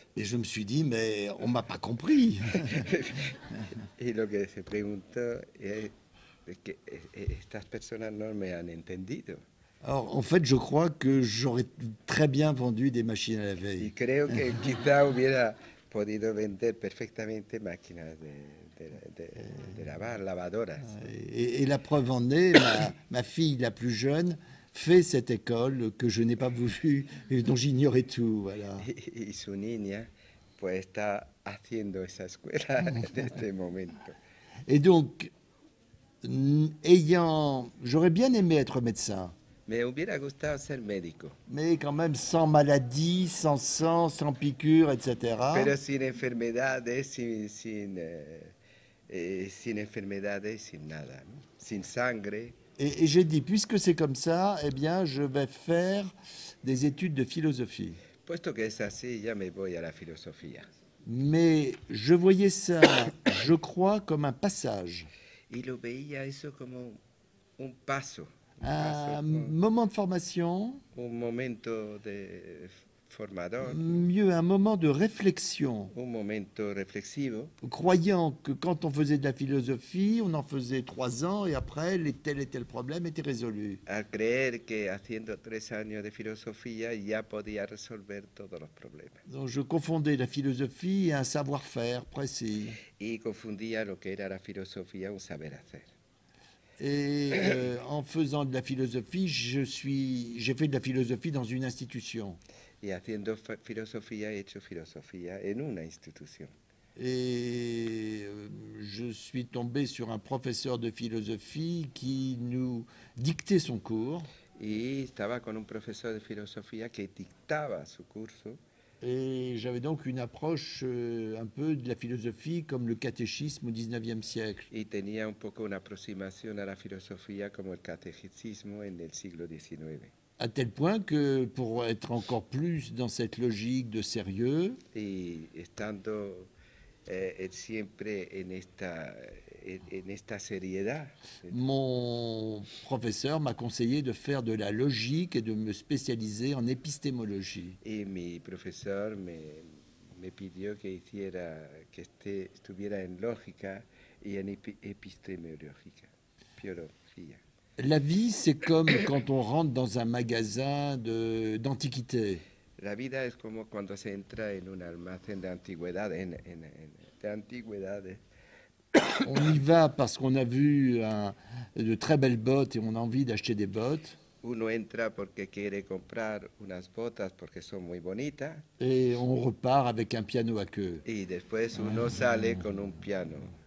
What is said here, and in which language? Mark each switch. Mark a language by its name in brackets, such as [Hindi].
[French] Et je me suis dit, mais on m'a pas compris. [Spanish] Et lo que se preguntó es que estas personas no me han entendido. [French] Alors, en fait, je crois que j'aurais très bien vendu des machines à laver. [Spanish] Y creo que quizá hubiera podido vender perfectamente máquinas de lavar, lavadoras. [French] Et la preuve en est, ma fille la plus jeune fait cette école que je n'ai pas voulu et dont j'ignorais tout, voilà. [Spanish] Y su niña pues está haciendo esa escuela en este momento. [French] Et donc, j'aurais bien aimé être médecin. [Spanish] Me hubiera gustado ser médico. [French] Mais quand même sans maladie, sans sang, sans piqûres, etc. [Spanish] Pero sin enfermedades, sin enfermedades, sin nada, sin sangre. [French] Et j'ai dit, puisque c'est comme ça, eh bien, je vais faire des études de philosophie. [Spanish] Puesto que es así, ya me voy a la filosofía. [French] Mais je voyais ça, je crois, comme un passage. [Spanish] Y lo veía eso como un paso. [French] Un moment de formation. [Spanish] Un momento de formador. [French] Mieux, un moment de réflexion. [Spanish] Un momento reflexivo. [French] Croyant que quand on faisait de la philosophie, on en faisait 3 ans et après, tel problème était résolu. [Spanish] A creer que haciendo 3 años de filosofía ya podía resolver todos los problemas. [French] Donc je confondais la philosophie et un savoir-faire précis. [Spanish] Y confundía lo que era la filosofía un saber hacer. [French] Et en faisant de la philosophie, j'ai fait de la philosophie dans une institution. [Spanish] Y haciendo filosofía, he hecho filosofía en una institución. [French] Et je suis tombé sur un professeur de philosophie qui nous dictait son cours. [Spanish] Y estaba con un profesor de filosofía que dictaba su curso. [French] Et j'avais donc une approche un peu de la philosophie comme le catéchisme au 19e siècle. [Spanish] Y tenía un poco una aproximación a la filosofía como el catecismo en el siglo XIX. [French] À tel point que pour être encore plus dans cette logique de sérieux. [Spanish] Y estando siempre en esta seriedad. [French] Mon professeur m'a conseillé de faire de la logique et de me spécialiser en épistémologie. [Spanish] Y mi profesor me pidió que hiciera que estuviera en lógica y en epistemológica. Biología. [French] La vie, c'est comme quand on rentre dans un magasin d'antiquités. [Spanish] La vida es como cuando se entra en un almacén de antigüedades. [French] On y va parce qu'on a vu de très belles bottes et on a envie d'acheter des bottes. [Spanish] Uno entra porque quiere comprar unas botas porque son muy bonitas. [French] Et on repart avec un piano à queue. [Spanish] Y después uno sale con un piano.